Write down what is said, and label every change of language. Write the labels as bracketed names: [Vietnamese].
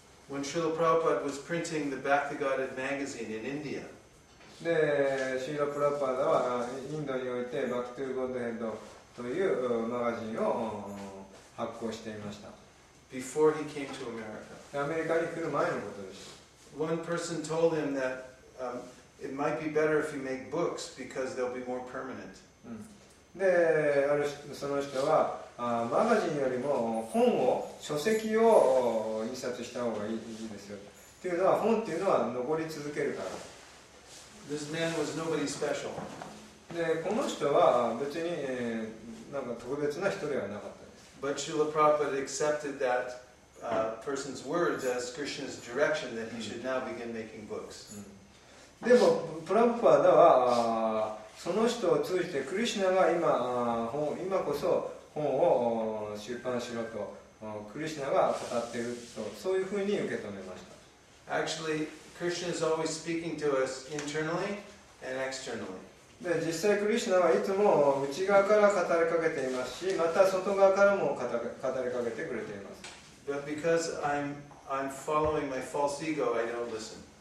[English] When Srila Prabhupada was printing the Bhaktivedanta magazine in India, [Japanese] で、シーラ・プラッパーダはインドにおいてバックトゥーゴッドヘッドというマガジンを発行していました。 [English] Before he came to America. [Japanese] アメリカに来る前のことです。 [English] One person told him that、it might be better if you make books because they'll be more permanent.、うん、 [Japanese] で、その人はマガジンよりも本を、書籍を印刷した方がいいですよ。というのは本っていうのは残り続けるから。 [English] This man was nobody special. [Japanese] で、この人は別に、なんか特別な人ではなかったです。 [English] But Srila Prabhupada accepted that person's words as Krishna's direction that he should now begin making books. [Japanese] でも、プラブパダはその人を通じて、クリシナが 今こそ本を出版しろと、クリシナが語っていると、そういうふうに受け止めました。 [English] Actually,Krishna is always speaking to us internally and externally. [Japanese] で、実際クリシナはいつも内側から語りかけていますし、また外側からも語りかけてくれています。 [English] But because I'm following my false ego, I don't listen.